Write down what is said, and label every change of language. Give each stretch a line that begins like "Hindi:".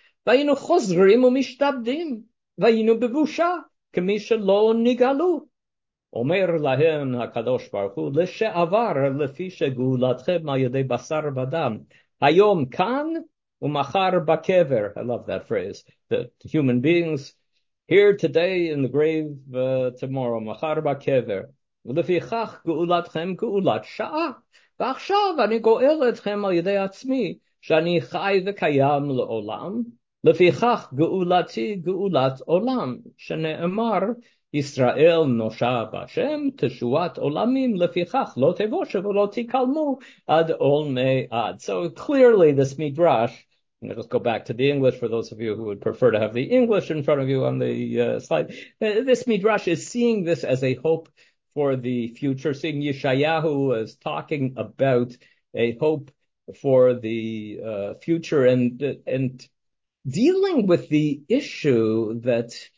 Hebrew: והיינו חוזרים ומשתבדים, והיינו בבושה, כמי שלא נגלו. אומר להם הקדוש ברוך הוא, לשעבר, לפי שגאולתכם על ידי בשר ודם, היום כאן ומחר בקבר.
English: I love that phrase, that human beings, here today in the grave, tomorrow,
Hebrew: מחר בקבר. ולפי כך גאולתכם גאולת שעה, ועכשיו אני גואל אתכם על ידי עצמי, שאני חי וקיים לעולם. לפיכך גאולתי גאולת עולם, שנאמר ישראל נושע בשם תשועת עולמים, לפיכך לא תבוש ולא תקלמו עד עולמי עד.
English: So clearly this Midrash, and let's go back to the English for those of you who would prefer to have the English in front of you on the slide. This Midrash is seeing this as a hope for the future, seeing Yeshayahu as talking about a hope for the future, and dealing with the issue that